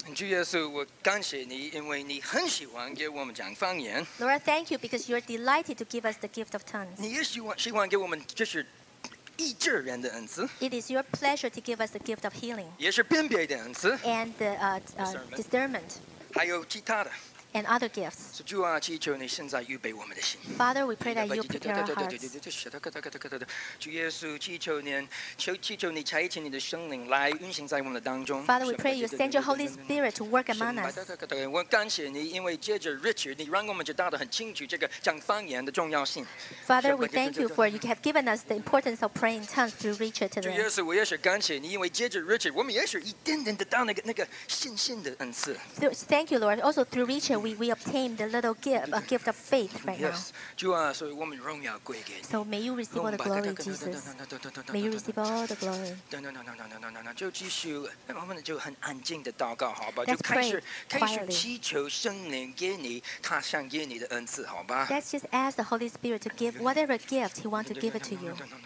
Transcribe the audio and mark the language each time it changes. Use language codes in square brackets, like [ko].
[zh] 主耶稣，我感谢你，因为你很喜欢给我们讲方言。 [en] Lord, thank you because you are delighted to give us the gift of tongues. [zh] 你也喜欢给我们就是医治人的恩赐。 [en] It is your pleasure to give us the gift of healing. [zh] 也是辨别的恩赐。 [en] And the discernment. [zh] 还有其他的。 [en] And other gifts. So, [zh] 主啊，祈求你现在预备我们的心。 [en] Father, we pray that you prepare our hearts. [zh] 主耶稣，祈求你差遣你的圣灵来运行在我们的当中。 [en] Father, we pray you send your Holy Spirit to work among us. [zh] 我感谢你，因为借着 Richard， 你让我们知道的很清楚这个讲方言的重要性。 [en] Father, we thank you for you have given us the importance of praying tongues through Richard today. [zh] 主耶稣，我也是感谢你，因为借着 Richard， 我们也是一点点得到那个信心的恩赐。 [en] Thank you, Lord. Also through Richard. We obtain the little gift of faith right yes. now. Yes, [zh] 所以我们荣耀归给你。 [en] So may you receive all the glory, Jesus. May you receive all the glory. No. [zh] 就继续，我们就很安静的祷告，好吧？ [en] Let's pray quietly. [zh] 开始祈求圣灵给你他想给你的恩赐，好吧？ [en] Let's just ask the Holy Spirit to give whatever gift He wants to give it to you.